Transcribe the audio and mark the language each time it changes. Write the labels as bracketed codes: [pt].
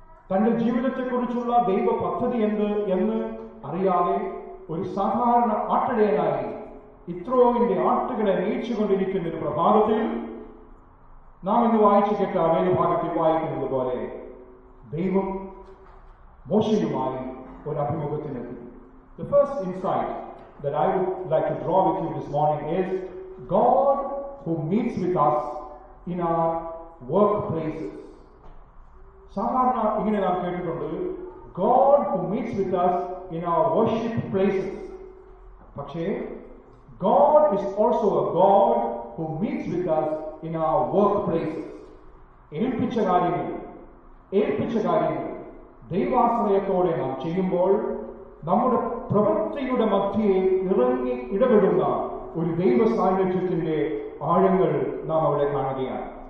[ml] തന്റെ ജീവിതത്തെക്കുറിച്ചുള്ള ദൈവ പദ്ധതി എന്ത് എന്ന് അറിയാതെ ഒരു സാധാരണ ആട്ടിടയനായി ഇത്രോവിന്റെ ആട്ടുകളെ നയിച്ചുകൊണ്ടിരിക്കുന്ന ഒരു പ്രഭാതത്തിൽ നാം ഇന്ന് വായിച്ചു കേട്ട വേദഭാഗത്തിൽ വായിക്കുന്നത് പോലെ ദൈവം മോശയുമായി ഒരു അഭിമുഖത്തിനെത്തി. [en] The first insight that I would like to draw with you this morning is God who meets with us in our work places. [ml] സാധാരണ ഇങ്ങനെ നാം കേട്ടിട്ടുണ്ട്, [en] God who meets with us in our worship places. [ml] പക്ഷേ [en] God is also a God who meets with us in our workplace. [ml] ഏൽപ്പിച്ച കാര്യങ്ങൾ ദൈവാശ്രയത്തോടെ നാം ചെയ്യുമ്പോൾ നമ്മുടെ പ്രവൃത്തിയുടെ മധ്യയിൽ ഇറങ്ങി ഇടപെടുന്ന ഒരു ദൈവ സാന്നിധ്യത്തിന്റെ ആഴങ്ങൾ നാം അവിടെ കാണുകയാണ്.